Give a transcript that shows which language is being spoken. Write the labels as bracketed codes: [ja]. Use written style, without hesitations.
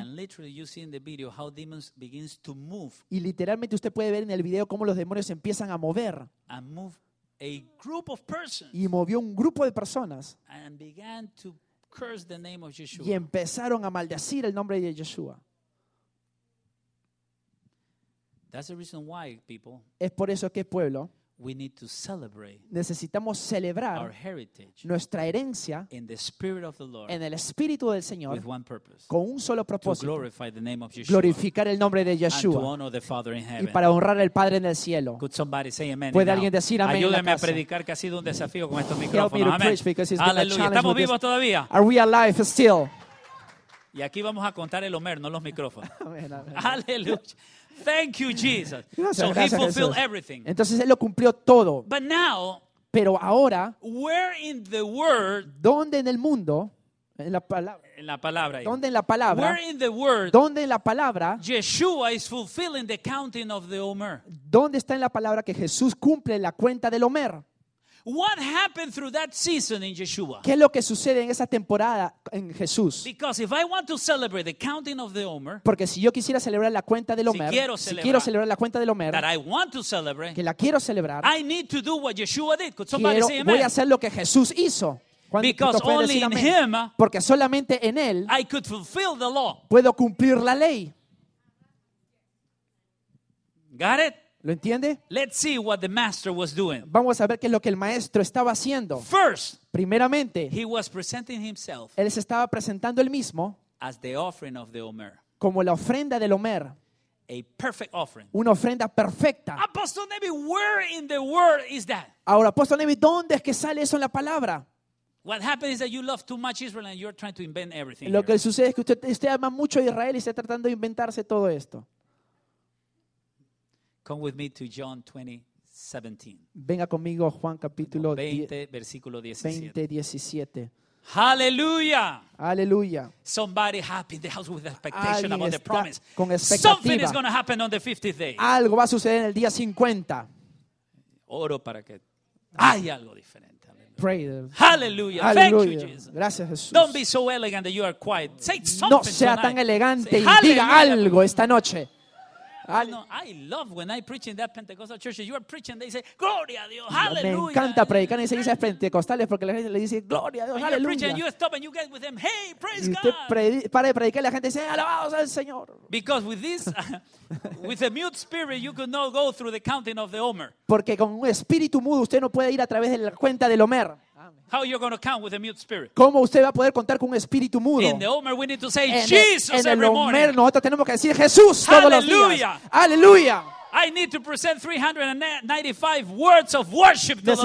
[en] And literally you see in the video how demons begins to move. [es] Y literalmente usted puede ver en el video cómo los demonios empiezan a mover. [en] And move a group of persons. [es] Y movió un grupo de personas. [en] And began to curse the name of Yeshua. [es] Y empezaron a maldecir el nombre de Yeshua. [en] That's the reason why, people. [es] Es por eso que pueblo. [en] We need to celebrate. [es] Necesitamos celebrar [en] our heritage, [es] nuestra herencia, [en] in the spirit of the Lord, [es] en el espíritu del Señor, [en] with one purpose, [es] con un solo propósito, [en] to glorify the name of Yeshua, [es] glorificar el nombre de Yeshua, [en] and to honor the Father in heaven, [es] y para honrar al Padre en el cielo. [en] Could somebody say amen? [es] ¿Puede alguien decir amén? Ayúdame a predicar que ha sido un desafío con estos micrófonos. [en] Amen. Hallelujah. [es] Estamos vivos todavía. [en] Are we alive still? [es] Y aquí vamos a contar el Homer, no los micrófonos. [en] Amen, amen. Hallelujah. Thank you, Jesus. [es] Gracias, [en] so [es] gracias, [en] he fulfilled [es] Jesús. [en] Everything. [es] Entonces él lo cumplió todo. [en] But now, [es] pero ahora, [en] where in the word, [es] ¿dónde en el mundo, en la palabra, ¿dónde en la palabra, [en] where in the word, [es] ¿dónde en la palabra, [en] Yeshua is fulfilling the counting of the Omer? [es] ¿Dónde está en la palabra que Jesús cumple la cuenta del Omer? [en] What happened through that season in Yeshua? [es] ¿Qué es lo que sucede en esa temporada en Jesús? [en] Because if I want to celebrate the counting of the Omer, [es] porque si yo quisiera celebrar la cuenta del Omer, si quiero celebrar la cuenta del Omer, [en] that I want to celebrate, [es] que la quiero celebrar, [en] I need to do what Yeshua did. Could somebody say amen? [es] Voy a hacer lo que Jesús hizo. [en] Because only in him, [es] porque solamente en él, [en] I could fulfill the law. [es] Puedo cumplir la ley. [en] Got it? [es] ¿Lo entiende? [en] Let's see what the master was doing. [es] Vamos a ver qué es lo que el maestro estaba haciendo. [en] First, [es] primeramente, [en] he was presenting himself, [es] él se estaba presentando él mismo, [en] as the offering of the Omer, [es] como la ofrenda del Omer, [en] a perfect offering, [es] una ofrenda perfecta. [en] Apostle Nevi, where in the word is that? [es] Ahora, apóstol Nevi, ¿dónde es que sale eso en la palabra? [en] What happens is that you love too much Israel and you're trying to invent everything. [es] Lo que sucede es que usted ama mucho a Israel y está tratando de inventarse todo esto. [en] Come with me to John 20:17. [es] Venga conmigo Juan capítulo 20, versículo 17. [en] Hallelujah. Hallelujah. Somebody happy in the house with expectation about the promise. [es] Con expectativa. [en] Something is going to happen on the 50th day. [es] Algo va a suceder en el día 50. Oro para que Hay algo diferente. [en] Hallelujah. Hallelujah. Thank you, Jesus. [es] Gracias, Jesús. [en] Don't be so elegant that you are quiet. Say something. [es] No sea tan elegante y diga algo esta noche. [en] No, I love when I preach in that Pentecostal church. You are preaching, they say, [es] Gloria a Dios, [en] Hallelujah. [es] Me encanta predicar en esas pentecostales porque la gente le dice, Gloria a Dios, Hallelujah. [en] You preach and you stop and you get with them, Hey, praise God. [es] Y usted para de predicar y la gente dice, Alabado sea el Señor. [en] Because with this, with a mute spirit, you could not go through the counting of the Omer. [es] Porque con un espíritu mudo usted no puede ir a través de la cuenta del Omer. [en] How you're going to count with a mute spirit? [es] ¿Cómo usted va a poder contar con un espíritu mudo? [en] In the Omer we need to say Jesus every morning. [es] En el Omer nosotros tenemos que decir Jesús todos los días. Aleluya. [en] I need to present 395 words of worship to the Lord.